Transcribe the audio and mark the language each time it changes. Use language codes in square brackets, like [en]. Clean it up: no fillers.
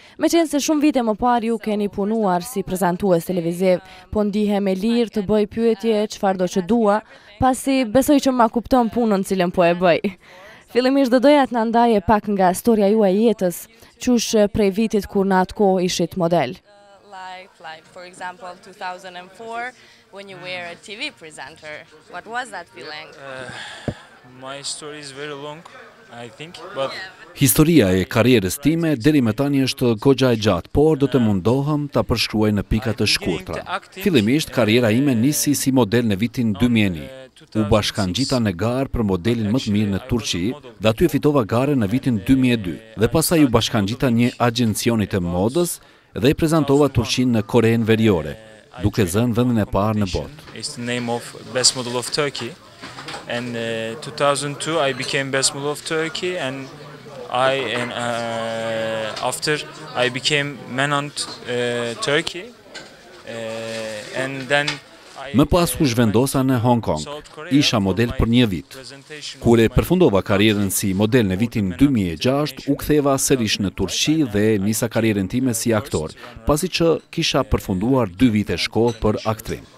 [sq] Me qenë se shumë vite më parë ju keni punuar si prezantues televiziv, po ndihem e lirë të bëj pyetje çfarë do që dua, pasi besoj që ma kupton punën cilën po e bëj. Fillimisht do doja të na ndaje pak nga storia juaj jetës, qysh prej vitit kur në atë kohë ishit model. [en] Like for example 2004 when you were a TV presenter, what was that feeling? My story is very long, I think, but [sq] historia e karrierës time deri më tani është goxha e gjatë, por do të mundohem ta përshkruaj në pika të shkurtra. Fillimisht karriera ime nisi si model në vitin 2001. U bashkangjita në garë për modelin më të mirë në Turqi dhe aty e fitova garën në vitin 2002. Dhe pasaj u bashkangjita një agjencioni të modës dhe I prezentova Turqin në Korenë Veriore, duke zënë vendin e parë në botë. [en] It's the name of best model of Turkey. And 2002 I became best model of Turkey and after I became manhunt Turkey and then [sq] Më pas u zhvendosa në Hong Kong, isha model për një vit. Kur e përfundova karrierën si model në vitin 2006, u ktheva sërish në Turqi dhe nisa karrierën time si aktor, pasi që kisha përfunduar 2 vite shkollë për aktrim.